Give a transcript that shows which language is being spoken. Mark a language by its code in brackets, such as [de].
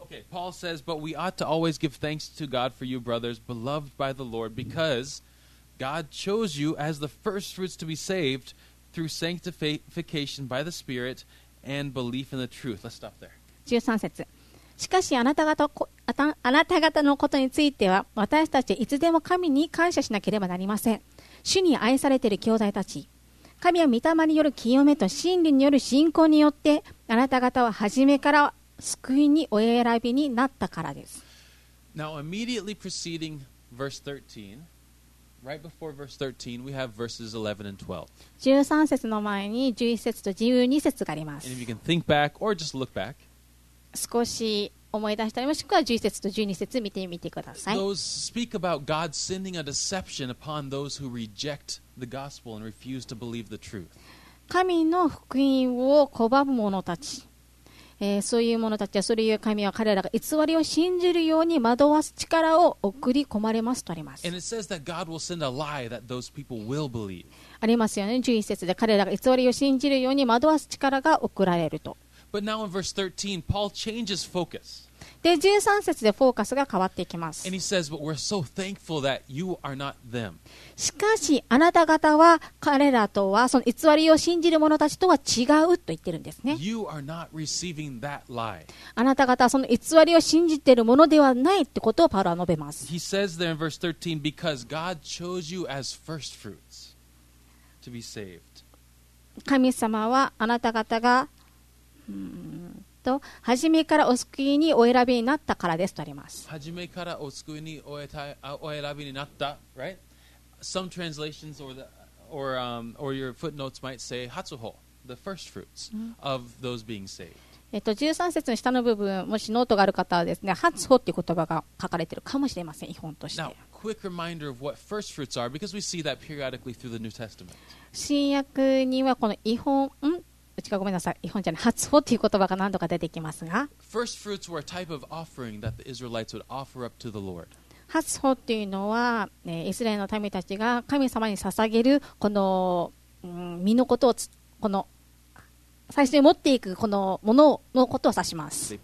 [en] Paul says, But we ought to always give thanks to God for you, brothers, beloved by the Lord, because God chose you as the first fruits to be saved through sanctification by the SpiritAnd belief in the truth. Let's stop there. [ja] 13節。しかしあなた方のことについては、私たちいつでも神に感謝しなければなりません。主に愛されている兄弟たち、神は御霊による清めと真理による信仰によって、あなた方は初めから救いにお選びになったからです。 [en] Now, immediately preceding verse 13. Right before verse 13, we have verses 11 and 12. 13 [ja] 節の前に11節と12節があります。 [en] And if you can think back or just look back, [ja] 少し思い出したりもしくは11節と12節見てみてください。 [en] Those speak about God sending a deception upon those who reject the gospel and refuse to believe the truth. [ja] 神の福音を拒む者たち、そういう者たちはそれゆえ神は彼らが偽りを信じるように惑わす力を送り込まれますとあります。 [en] And it says that God will send a lie that those people will believe. [ja] ありますよね。 11節で彼らが偽りを信じるように惑わす力が送られると。 [en] But now in verse 13, Paul changes focus. [ja] で13節でフォーカスが変わっていきます。 [en] And he says, but we're so thankful that you are not them. [ja] しかしあなた方は彼らとはその偽りを信じる者たちとは違うと言ってるんですね。 [en] You are not receiving that lie. [ja] あなた方はその偽りを信じているものではないってことをパウロは述べます。 [en] He says there in verse 13, because God chose you as first fruits to be saved. [ja] 神様はあなた方が初めからお救いにお選びになったからですとあります。初めからお救いにお選びになった、right? [en] Some translations or your footnotes might say hatsuho, the first fruits of those being saved. [ja] 13節の下の部分、もしノートがある方はですね、hatsuho っていう言葉が書かれているかもしれません、本として。 [en] Now, quick reminder of what first fruits are, because we see that periodically through the New Testament. [ja] 新約にはこの異本、ごめんなさい、日本じゃない、初穂という言葉が何度か出てきますが、 [en] first fruits were a type of offering that the Israelites would offer up to the Lord. [ja] 初穂というのは、イスラエルの民たちが神様に捧げるこの、身のことを、この最初に持っていくこのもののことを指します。